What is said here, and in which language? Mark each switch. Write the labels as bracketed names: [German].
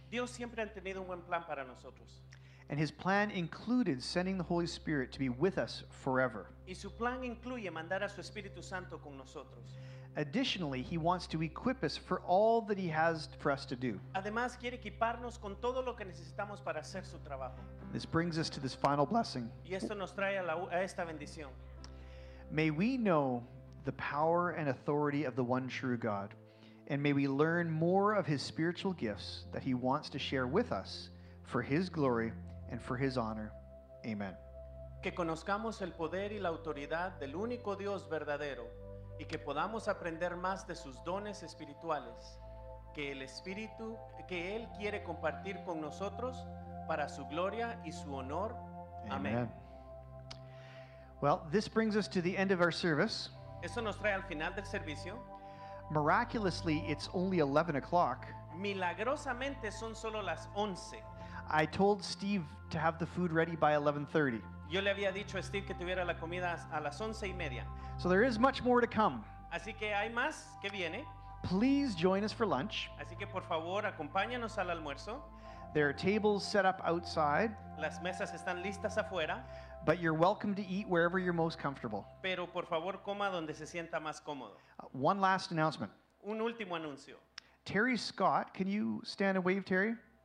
[Spanish] Dios siempre ha tenido un buen plan para nosotros. [English] And his plan included sending the Holy Spirit to be with us forever. [Spanish] Y su plan incluye mandar a su Espíritu Santo con nosotros. [English] Additionally, he wants to equip us for all that he has for us to do. [Spanish] Además, quiere equiparnos con todo lo que necesitamos para hacer su trabajo. [English] This brings us to this final blessing. [Spanish] Y esto nos trae a esta bendición. [English] May we know the power and authority of the one true God, and may we learn more of his spiritual gifts that he wants to share with us for his glory and for his honor. Amen. [Spanish] Que conozcamos el poder y la autoridad del único Dios verdadero, y que podamos aprender más de sus dones espirituales que el Espíritu que Él quiere compartir con nosotros para su gloria y su honor. Amén. [English] Well, this brings us to the end of our service. [Spanish] Eso nos trae al final del servicio. [English] Miraculously, it's only 11 o'clock. [Spanish] Milagrosamente, son solo las 11. [English] I told Steve to have the food ready by 11:30. [Spanish] Yo le había dicho a Steve que tuviera la comida a las 11:30. [English] So there is much more to come. [Spanish] Así que hay más que viene. [English] Please join us for lunch. [Spanish] Así que por favor, acompáñanos al almuerzo. [English] There are tables set up outside. [Spanish] Las mesas están listas afuera. [English] But you're welcome to eat wherever you're most comfortable. [Spanish] Pero por favor, coma donde se sienta más cómodo. [English] One last announcement. [Spanish] Un último anuncio. [English] Terry Scott, can you stand and wave, Terry?